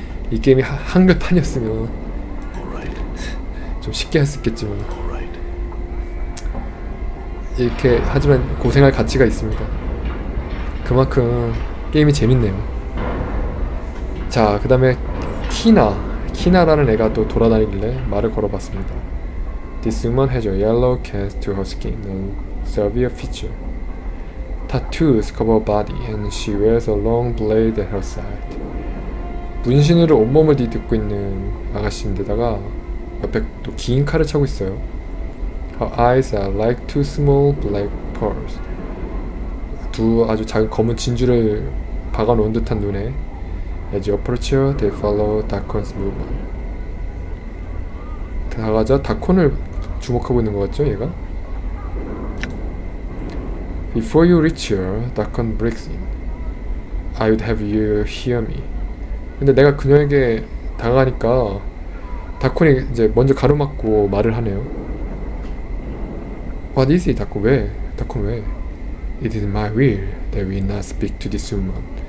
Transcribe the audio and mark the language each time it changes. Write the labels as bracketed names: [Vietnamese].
[Korean] 이 게임이 한글판이었으면 좀 쉽게 할수 있겠지만 이렇게 하지만 고생할 가치가 있습니다. 그만큼 게임이 재밌네요. 자, 그 다음에 키나라는 애가 또 돌아다니길래 말을 걸어봤습니다. [English] This woman has a yellow cast to her skin and severe feature. Tattoos cover body and she wears a long blade at her side. [Korean] 문신으로 온몸을 뒤덮고 있는 아가씨인데다가 옆에 또긴 칼을 차고 있어요. [English] Her eyes are like two small black pearls. [Korean] 두 아주 작은 검은 진주를 박아놓은 듯한 눈에 [English] As you approach her, they follow Dacon's movement. [Korean] 다가가자 다콘을 주목하고 있는 것 같죠, 얘가? [English] Before you reach her, Dacon breaks in. I would have you hear me. [Korean] 근데 내가 그녀에게 다가가니까 다콘이 이제 먼저 가로막고 말을 하네요. [English] What is it, 다콘? [Korean] 왜? 다콘 왜? [English] It is my will that we not speak to this woman.